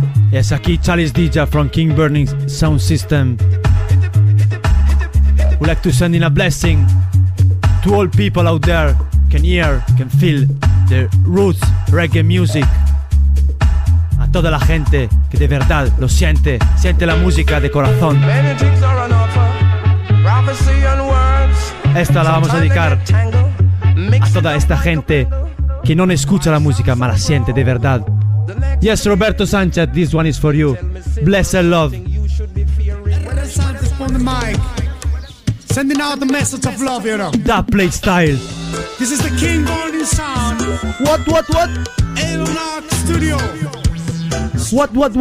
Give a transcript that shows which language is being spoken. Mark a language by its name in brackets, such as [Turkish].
[English] Yes, [Spanish] aquí [English] Charles DJ from King Burning Sound System. We'd like to send in a blessing to all people out there can hear, can feel the roots reggae music. [Spanish] A toda la gente que de verdad lo siente, siente la música de corazón. [English] Many things are on offer, prophecy and words. [Spanish] Esta la vamos a dedicar a toda esta gente que no escucha la música, mas la siente de verdad. [English] Yes, Roberto Sanchez, this one is for you. Bless and love. Renaissance on the mic. Sending out the message of love, you know. That play style. This is the King Burning Sound. What? Elonox Studio.